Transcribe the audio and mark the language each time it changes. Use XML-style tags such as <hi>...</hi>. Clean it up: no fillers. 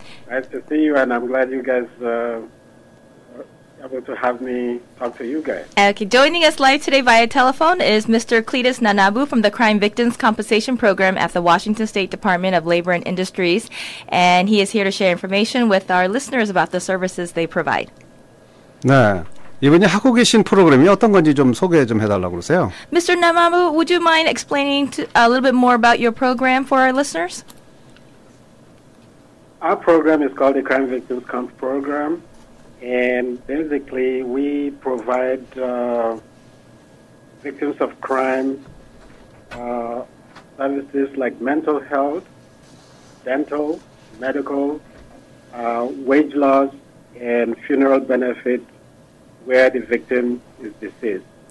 <en>Nice to see you, and I'm glad you guys able to have me talk to you guys. Okay, joining us live today via telephone is Mr. Cletus Nnanabu from the Crime Victims Compensation Program at the Washington State Department of Labor and Industries, and he is here to share information with our listeners about the services they provide.</en> <ko>네, 이분이 하고 계신 프로그램이 어떤 건지 좀 소개 좀 해달라고 그러세요.</ko> <en>Mr. Nnanabu, would you mind explaining a little bit more about your program for our listeners? Our program is called the Crime Victims Comp Program, and basically we provide victims of crime services like mental health, dental, medical, wage loss, and funeral benefit where the victim is deceased.</en>